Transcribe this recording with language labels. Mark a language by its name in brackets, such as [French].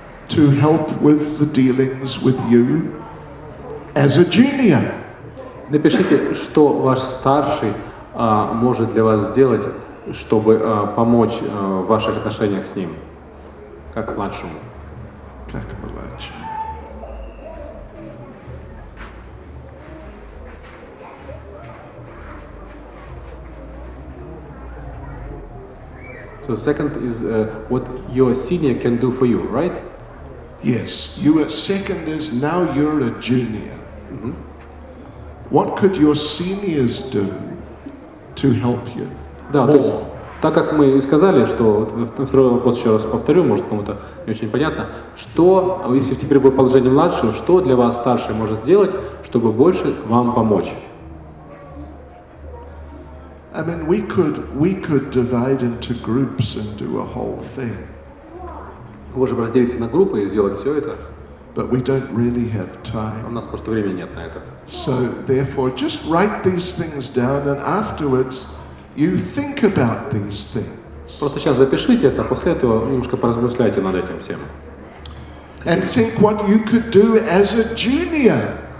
[English] to help with the dealings with you as a junior. [Russian] Напишите, что ваш старший может для вас сделать, чтобы помочь в ваших отношениях с ним, как младшему. Как младшему. [English] So second is what your senior can do for you, right? Yes, your second is now you're a junior. Mm-hmm. What could your seniors do to help you? [Russian] Да, то есть, так как мы и сказали, что второй вопрос еще раз повторю, может кому-то не очень понятно, что если теперь будет положение младшего, что для вас старший может сделать, чтобы больше вам помочь? [English] I mean, we could divide into groups and do a whole thing. [Russian] Мы можем разделить на группы и сделать все это. [English] But we don't really have time. [Russian] У нас просто времени нет на это. [English] So therefore, just write these things down, and afterwards, you think about these things. [Russian] Просто сейчас запишите это, после этого немножко поразмышляйте над этим всем. [English] And think what you could do as a junior.